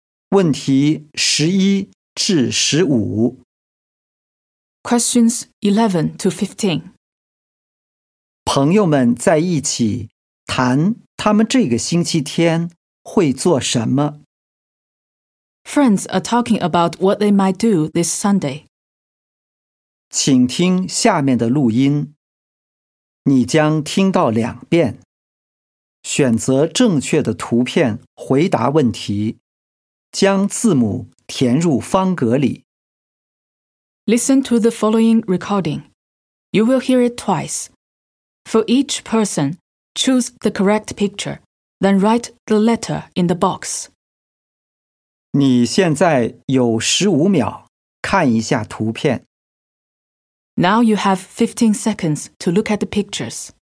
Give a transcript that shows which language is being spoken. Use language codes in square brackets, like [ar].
[zh] 问题十一至十五。 [en] Questions 11 to 15。 [zh] 朋友们在一起谈他们这个星期天会做什么。 [en] Friends are talking about what they might do this Sunday。 [zh] 请听下面的录音，你将听到两遍。选择正确的图片回答问题。将字母填入方格里。 [en] Listen to the following recording. You will hear it twice. For each person, choose the correct picture, then write the letter in the box. [zh] 你现在有15秒，看一下图片。 [en] Now you have 15 seconds to look at the pictures.